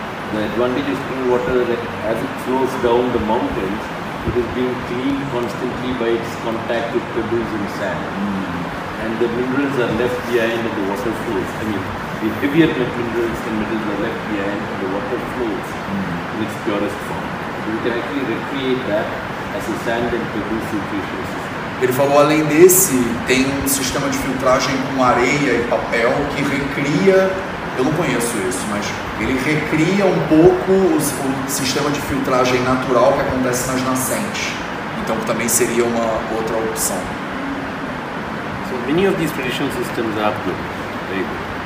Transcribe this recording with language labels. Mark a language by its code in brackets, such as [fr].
[en] The advantage of spring water is that as it flows down the mountains, it is being cleaned constantly by its contact with pebbles and sand. And the minerals are left behind and the water flows. I mean, the heavier minerals and metals are left behind and the water flows in its purest form. You can actually recreate that as a sand and pebble filtration system. [pt] Ele falou, além desse, tem um sistema de filtragem com areia e papel que recria, eu não conheço isso, mas ele recria um pouco o sistema de filtragem natural que acontece nas nascentes. Então também seria uma outra opção. [en] Many of these traditional systems are good, very good.